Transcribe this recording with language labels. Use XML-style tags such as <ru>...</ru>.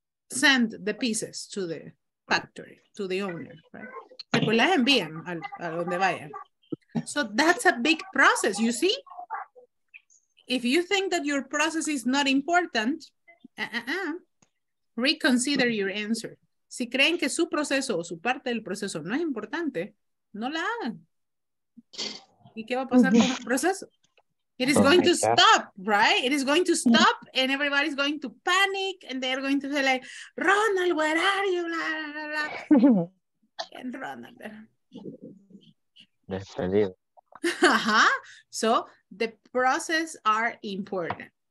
<en>Send the pieces to the factory, to the owner, right?</en> <es>Después las envían a donde vayan.</es> <en>So that's a big process, you see? If you think that your process is not important, reconsider your answer.</en> <es>Si creen que su proceso o su parte del proceso no es importante, no la hagan. ¿Y qué va a pasar con el proceso?</es> <en>It is going to stop, right? It is going to stop and everybody's going to panic and they're going to say like, Ronald, where are you? Blah, blah, blah, blah. And Ronald.</en> <es>Despedido.</es> <en>Uh-huh. So the process are important.</en>